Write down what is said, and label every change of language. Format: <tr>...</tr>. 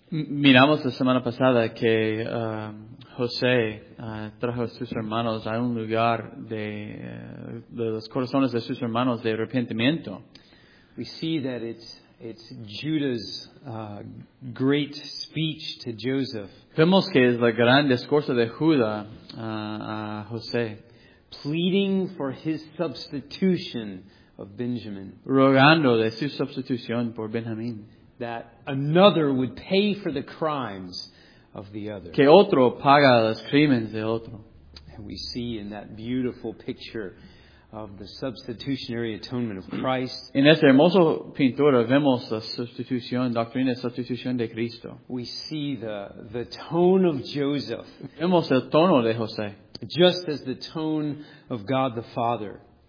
<es>Miramos la semana pasada que José trajo a sus hermanos a un lugar de los corazones de sus hermanos de arrepentimiento.</es> <en>We see that it's Judah's great speech to Joseph.</en> <es>Vemos que es el gran discurso de Judah a José.</es> <en>Pleading for his substitution of Benjamin.</en> <es>Rogando de su sustitución por Benjamín.</es> <en>That another would pay for the crimes of the other.</en> <es>Que otro paga los crímenes de otro.</es> <en>And we see in that beautiful picture of the substitutionary atonement of Christ.</en> <es>En esa hermosa pintura vemos la sustitución, doctrina de sustitución de Cristo.</es> <en>We see the tone of Joseph.</en> <es>Vemos el tono de José.</es> <en>Just as the tone of God the Father.</en>